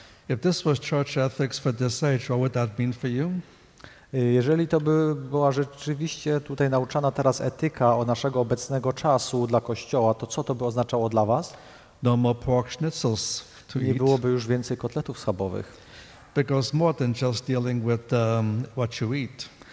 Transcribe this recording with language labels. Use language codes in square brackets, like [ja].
[en] If this was church ethics for this age, what would that mean for you? [pl] Jeżeli to by była rzeczywiście tutaj nauczana teraz etyka o naszego obecnego czasu dla Kościoła, to co to by oznaczało dla was? [en] No more pork schnitzels to eat. [pl] Nie byłoby już więcej kotletów schabowych. [en] Because more than just dealing with what you eat.